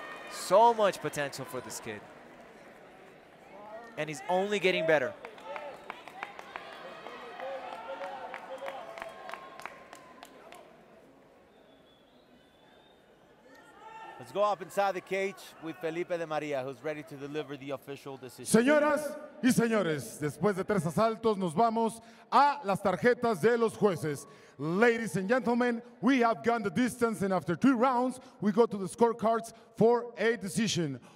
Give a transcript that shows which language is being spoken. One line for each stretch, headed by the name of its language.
English: So much potential for this kid. And he's only getting better. Let's go up inside the cage with Felipe de Maria, who's ready to deliver the official decision.
Spanish: Señoras y señores, después de tres asaltos, nos vamos a las tarjetas de los jueces.
English: Ladies and gentlemen, we have gone the distance, and after three rounds, we go to the scorecards for a decision.